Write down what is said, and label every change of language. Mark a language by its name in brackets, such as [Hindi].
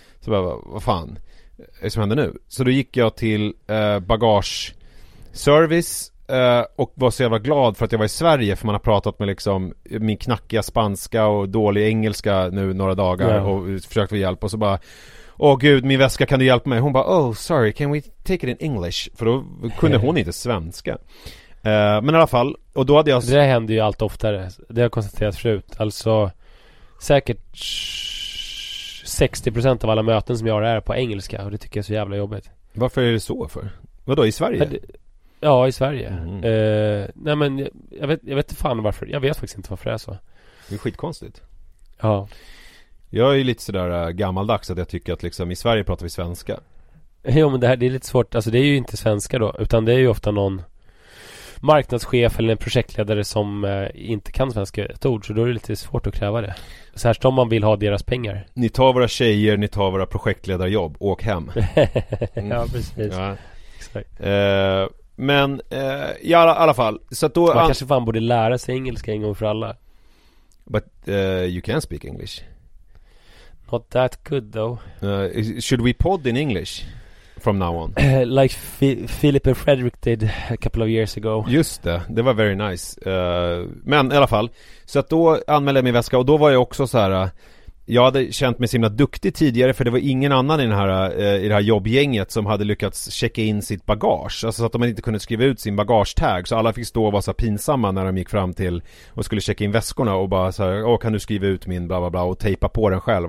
[Swedish] Så bara, vad fan är det som händer nu? Så då gick jag till bagageservice och var så jävla glad för att jag var i Sverige, för man har pratat med liksom min knackiga spanska och dålig engelska nu några dagar och försökt få hjälp, och så bara åh gud, min väska, kan du hjälpa mig? Hon bara, [English] oh sorry, can we take it in English? [Swedish] För då kunde hon inte svenska. Men i alla fall, och då hade jag... Det händer ju allt oftare, det har jag konstaterat förut. Alltså säkert 60% av alla möten som jag har är på engelska, och det tycker jag är så jävla jobbigt. Varför är det så för? Vadå, i Sverige? Ja, i Sverige. Nej, men jag vet fan varför. Jag vet faktiskt inte varför det är så. Det är skitkonstigt. Ja. Jag är ju lite sådär gammaldags att jag tycker att liksom, i Sverige pratar vi svenska. Jo, men det är lite svårt. Alltså det är ju inte svenska då, utan det är ju ofta någon marknadschef eller en projektledare som inte kan svenska ett ord, så då är det lite svårt att kräva det. Särskilt om man vill ha deras pengar. Ni tar våra tjejer, ni tar våra projektledarjobb, åk hem. Ja, precis. Ja. Exakt. Men i alla fall, så att då man kanske fan borde lära sig engelska en gång för alla. [English] But you can speak English. Not that good though. Should we pod in English from now on? Like Philip and Frederick did a couple of years ago. [Swedish] Just det, det var [English] very nice. [Swedish] Men i alla fall, så att då anmälde jag min väska, och då var jag också så här. Jag hade känt mig så himla duktig tidigare, för det var ingen annan i det här jobbgänget som hade lyckats checka in sitt bagage. Alltså så att de inte kunde skriva ut sin bagagetag, så alla fick stå och vara så pinsamma när de gick fram till och skulle checka in väskorna och bara så här, åh, kan du skriva ut min bla bla bla och tejpa på den själv.